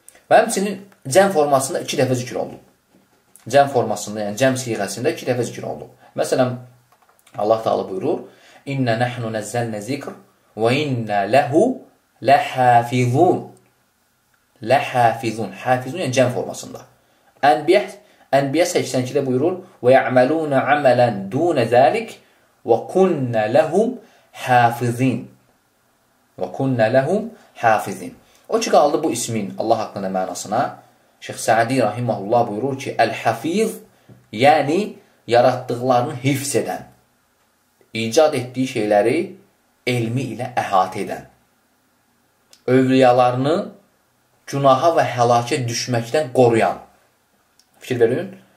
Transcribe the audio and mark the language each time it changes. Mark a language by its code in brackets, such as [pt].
[az] Və həmçinin cəm formasında 2 dəfə zikr olunub. Cəm formasında, yəni cəm siğəsində 2 dəfə zikr olunub. Məsələn, Allah Taala buyurur: [ar] "İnna nahnu nazzalna zikr وَإِنَّ لَهُ لَحَافِظُونَ." لَحَافِظُونَ, حافظون يعني جمع [az] formasında. Enbiya 82'de buyurur: [ar] "وَيَعْمَلُونَ عَمَلًا دُونَ ذَلِكَ وَكُنَّ لَهُمْ حَافِظِينَ." وَكُنَّ لَهُمْ حَافِظِينَ. [az] O ki qaldı bu ismin Allah haqqında mənasına. Şeyh Sa'di rahimahullah buyurur ki: "Əl-Hafiz yəni yaratdıqlarını hifz edən, icad etdiyi şeyləri elmi ilə əhatə edən, övliyalarını günaha və həlakə düşməkdən qoruyan." Fikir verin.